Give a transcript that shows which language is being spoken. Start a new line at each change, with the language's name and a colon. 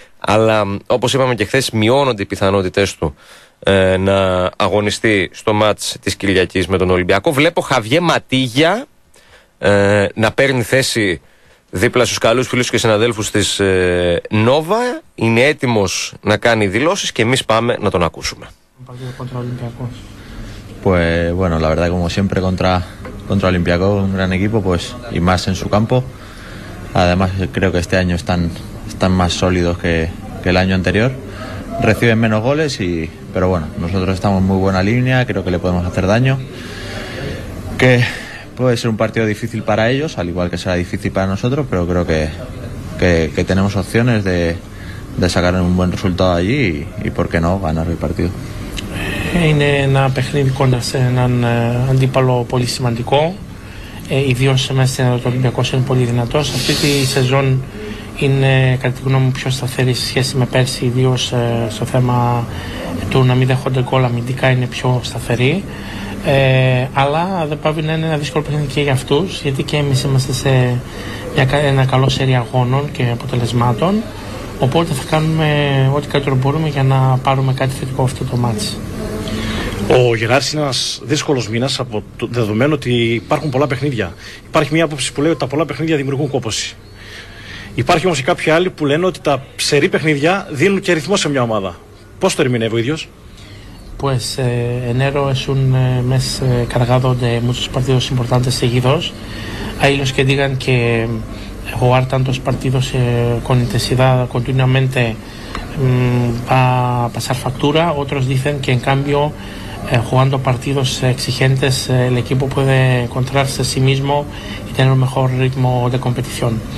Greek: Αλλά όπως είπαμε και χθες, μειώνονται οι πιθανότητες του να αγωνιστεί στο μάτς της Κυριακής με τον Ολυμπιακό. Βλέπω Χαβιέ Ματίγια να παίρνει θέση δίπλα στους καλούς φίλους και συναδέλφους της Νόβα, είναι έτοιμος να κάνει δηλώσεις και εμείς πάμε να τον ακούσουμε.
Spanish: Pues bueno, la verdad como siempre contra Olympiacos, un gran equipo, pues y más en su campo. Además creo que este año están más sólidos que el año anterior. Reciben menos goles y pero bueno, nosotros estamos muy buena línea, creo que le podemos hacer daño. Que puede ser un partido difícil para ellos, al igual que será difícil para nosotros, pero creo que tenemos opciones de sacar un buen resultado allí y por qué no, ganar el partido.
Greek: Είναι ένα παιχνίδι κοντά σε έναν αντίπαλο πολύ σημαντικό, ιδίως μέσα στην Ελλάδα, ο Ολυμπιακός είναι πολύ δυνατός. Αυτή τη σεζόν είναι κατά τη γνώμη μου πιο σταθερή σε σχέση με πέρσι, ιδίως στο θέμα του να μην δέχονται γκολ αμυντικά, είναι πιο σταθερή. Αλλά δεν πάβει να είναι ένα δύσκολο παιχνίδι και για αυτούς, γιατί και εμείς είμαστε σε ένα καλό σέρι αγώνων και αποτελεσμάτων. Οπότε θα κάνουμε ό,τι καλύτερο μπορούμε για να πάρουμε κάτι θετικό αυτό το μάτς. Ο Γενάρης είναι ένας δύσκολος μήνας από το δεδομένο ότι υπάρχουν πολλά παιχνίδια. Υπάρχει μια άποψη που λέει ότι τα πολλά παιχνίδια δημιουργούν κόπωση. Υπάρχει όμως και κάποιοι άλλοι που λένε ότι τα ψερή παιχνίδια δίνουν και ρυθμό σε μια ομάδα. Πώς το ερμηνεύει ο ίδιος?
Spanish: Pues enero es un mes cargado de muchos partidos importantes seguidos. Hay los que digan que jugar tantos partidos con intensidad continuamente va a pasar factura. Otros dicen que en cambio jugando partidos exigentes el equipo puede encontrarse a sí mismo y tener un mejor ritmo de competición.